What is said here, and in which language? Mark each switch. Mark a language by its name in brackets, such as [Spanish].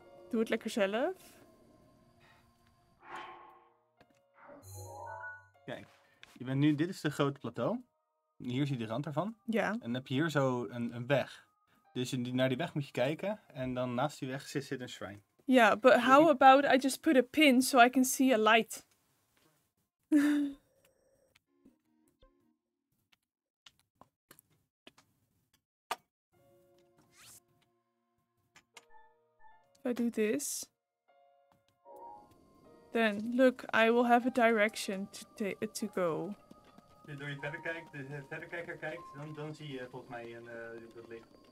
[Dutch] Doe het lekker zelf. Kijk, je bent nu, dit is het grote plateau. Hier zie je de rand ervan. Ja. En dan heb je hier zo een weg. Dus naar die weg moet je kijken. En dan naast die weg zit een shrine. [English] Ja, yeah, but how about I just put a pin so I can see a light? If I do this, then look, I will have a direction to go. [Dutch] Als je verderkijker kijkt, dan zie je volgens mij een dat licht.